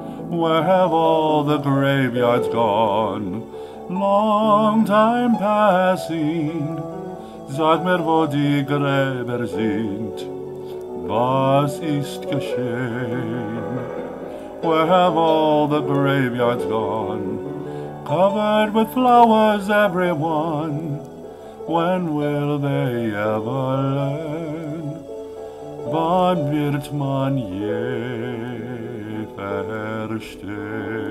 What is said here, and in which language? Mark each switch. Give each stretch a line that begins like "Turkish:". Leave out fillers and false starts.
English: Where have all the graveyards gone? Long time passing.
German: Sag mir, wo die Gräber sind, was ist geschehen?
English: Where have all the graveyards gone? Covered with flowers, everyone. When will they ever learn?
German: Wann wird man je verstehen?